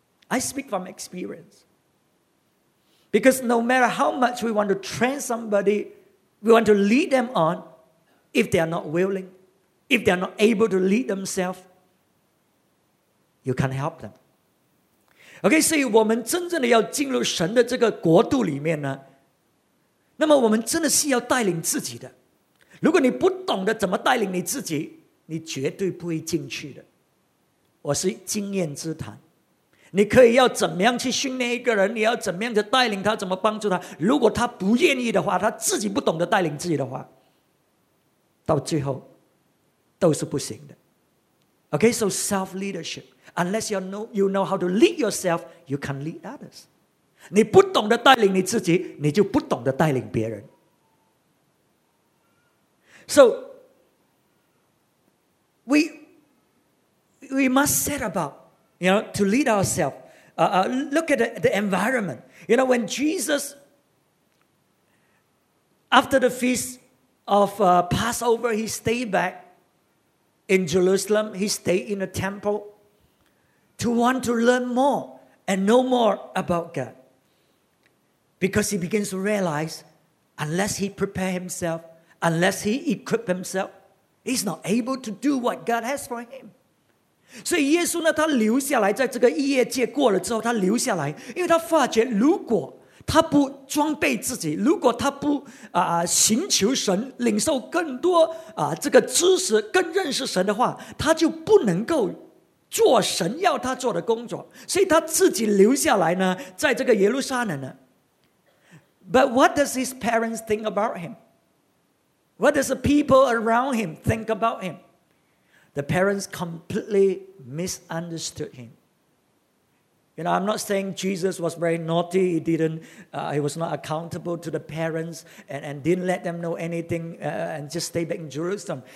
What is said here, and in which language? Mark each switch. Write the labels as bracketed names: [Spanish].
[English] I speak from experience. Because no matter how much we want to train somebody, we want to lead them on, if they are not willing, if they are not able to lead themselves, you can't help them. [Chinese] Okay, 所以我们真正的要进入神的这个国度里面呢，那么我们真的是要带领自己的。如果你不懂得怎么带领你自己，你绝对不会进去的。我是经验之谈。你可以要怎么样去训练一个人，你要怎么样的带领他，怎么帮助他。如果他不愿意的话，他自己不懂得带领自己的话，到最后都是不行的。 [English] Okay, so self-leadership. Unless you know how to lead yourself, you can lead others. [Chinese] 你不懂得带领你自己，你就不懂得带领别人。 [English] So, we must set about, you know, to lead ourselves. Look at the environment. You know, when Jesus, after the feast of Passover, he stayed back in Jerusalem. He stayed in the temple to want to learn more and know more about God. Because he begins to realize, unless he prepare himself, unless he equip himself, he's not able to do what God has for him. [Chinese] 所以耶稣呢，他留下来，在这个逾越节过了之后，他留下来，因为他发觉，如果他不装备自己，如果他不寻求神，领受更多这个知识，更认识神的话，他就不能够。做神要他做的工作，所以他自己留下来呢，在这个耶路撒冷呢。 [English] But what does his parents think about him? What does the people around him think about him? The parents completely misunderstood him. You know, I'm not saying Jesus was very naughty. He didn't, he was not accountable to the parents and didn't let them know anything and just stay back in Jerusalem.